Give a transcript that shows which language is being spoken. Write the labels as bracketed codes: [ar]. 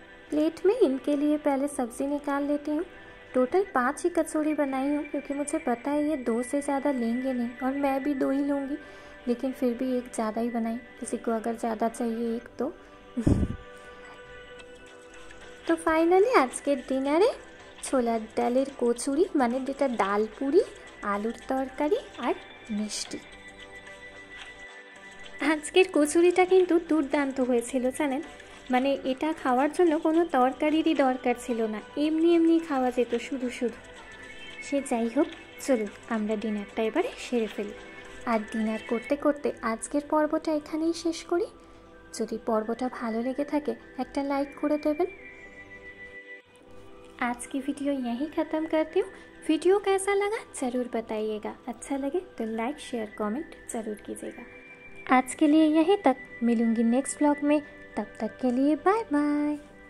[hi] Plate में इनके लिए पहले सब्जी निकाल लेती हूँ। टोटल 5 ही कचौड़ी बनाई हूँ, क्योंकि मुझे पता है ये 2 से ज़्यादा लेंगे नहीं, और मैं भी 2 ही लूँगी, लेकिन फिर भी 1 ज़्यादा ही बनाई, किसी को अगर ज़्यादा चाहिए 1 तो। [bn] तो फाइनली आज के डिनारे छोलार डालेर कचुड़ी, मान जेटा डाल पुरी, आलुर तरकारी और मिष्टी। আজকের কচুরিটা কিন্তু দুর্দান্ত হয়েছিল, জানেন? মানে এটা খাওয়ার জন্য কোনো তরকারিরই দরকার ছিল না, এমনি এমনি খাওয়া যেত শুধু শুধু। সে যাই হোক, চলুন আমরা ডিনারটা এবারে সেরে ফেলি। আর ডিনার করতে করতে আজকের পর্বটা এখানেই শেষ করি। যদি পর্বটা ভালো লেগে থাকে একটা লাইক করে দেবেন। [hi] आज की वीडियो यहीं ख़त्म करती हूँ। वीडियो कैसा लगा ज़रूर बताइएगा। अच्छा लगे तो लाइक शेयर कमेंट ज़रूर कीजिएगा। आज के लिए यहीं तक, मिलूँगी नेक्स्ट ब्लॉग में। तब तक के लिए बाय बाय।